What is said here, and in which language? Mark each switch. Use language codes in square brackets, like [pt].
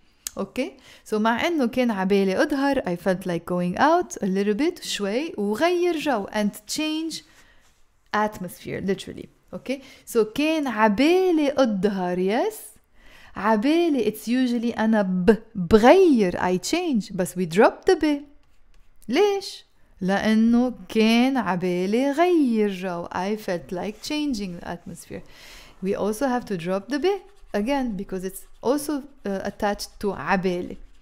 [en] Okay, so [ar] مع انه كان عبالي اظهر, [en] I felt like going out a little bit, شوي, [ar] وغير جو, [en] and change atmosphere literally. [ar] Okay, so كان عبالي اظهر. [en] Yes, عبالي, it's usually [ar] أنا بغير, [en] I change, بس we drop the ب. ليش? [ar] لأنه كان عبالي غير جو. [en] I felt like changing the atmosphere. We also have to drop the be again because it's also attached to عبالي.